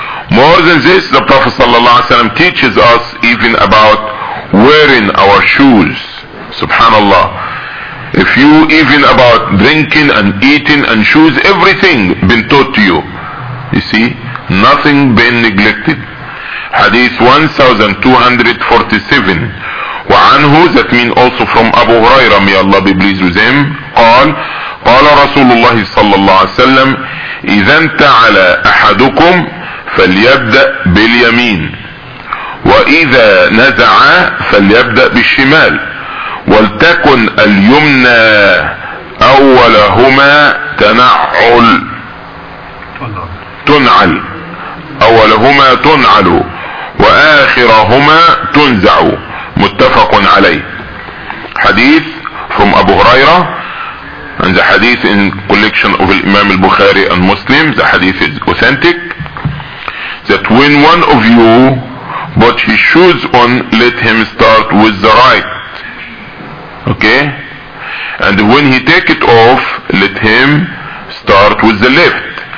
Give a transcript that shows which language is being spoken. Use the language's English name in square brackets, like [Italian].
[English] More than this, the Prophet sallallahu alaihi wasallam teaches us even about wearing our shoes. Subhanallah. If you even about drinking and eating and shoes, everything been taught to you. You see, nothing been neglected. Hadith 1247. [Arabic] وعنه, [English] that mean also from Abu Huraira, may Allah be pleased with him, [Arabic] قال قال رسول الله صلى الله عليه وسلم إذا انتعل أحدكم فليبدأ باليمين وإذا نزع فليبدأ بالشمال ولتكن اليمنى أولهما تنعل. تنعل، أولهما تنعل وآخرهما تنزع، متفق عليه. [English] حديث from أبو هريرة and the hadith in collection of Imam al-Bukhari and Muslim, the hadith is authentic, that when one of you put his shoes on, let him start with the right, okay, and when he take it off, let him start with the left.